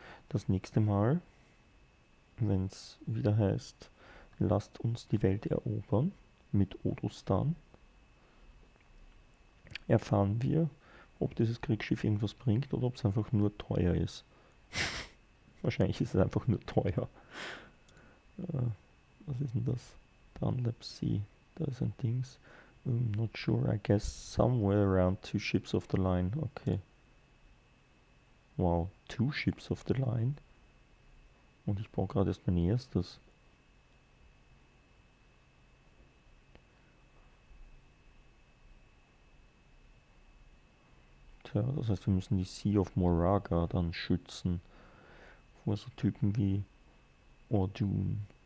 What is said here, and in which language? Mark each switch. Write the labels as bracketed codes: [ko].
[de] Das nächste Mal, wenn es wieder heißt, lasst uns die Welt erobern mit Odustan, erfahren wir, ob dieses Kriegsschiff irgendwas bringt oder ob es einfach nur teuer ist. Wahrscheinlich ist es einfach nur teuer. Was ist denn das? Dunlap Sea, da ist ein Dings. [en] Not sure, I guess somewhere around two ships of the line. Okay. Wow, two ships of the line. [de] Und ich baue gerade erst mein erstes. Tja, das heißt, wir müssen die Sea of Moraga dann schützen. Vor so Typen wie Ordun.